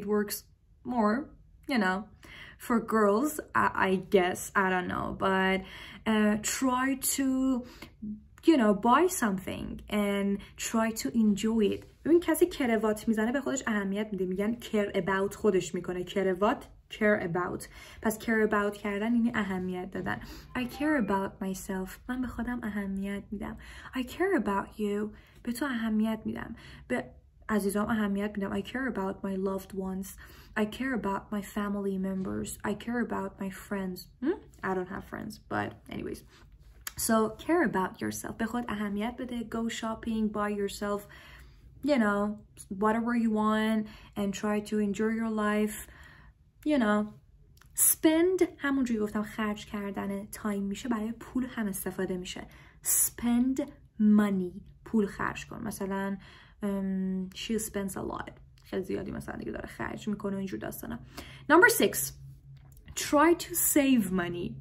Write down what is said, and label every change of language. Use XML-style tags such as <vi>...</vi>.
<en>It works more, you know, for girls, I guess. I don't know. But try to, you know, buy something and try to enjoy it.</en> <fa>ببین کسی کروات میزنه به خودش اهمیت میده. میگن care about خودش میکنه. کروات, care about. پس care about کردن یعنی اهمیت دادن.</fa> <en>I care about myself.</en> <fa>من به خودم اهمیت میدم.</fa> <en>I care about you.</en> <fa>به تو اهمیت میدم. به عزیزام اهمیت میدم.</fa> <en>I care about my loved ones. I care about my family members. I care about my friends. I don't have friends, but anyways. So care about yourself.</en> <fa>به خود اهمیت بده.</fa> <en>Go shopping, buy yourself, you know, whatever you want, and try to enjoy your life. You know, spend,</en> <fa>همونجوری گفتم خرج کردن تایم میشه, برای پول هم استفاده میشه.</fa> <en>Spend money,</en> <fa>پول خرج کن. مثلا</fa> <en>she spends a lot,</en> <fa>خیلی زیادی مثلا دیگه داره خرج میکنه و اینجور داستانا.</fa> <en>Number 6, try to save money.</en>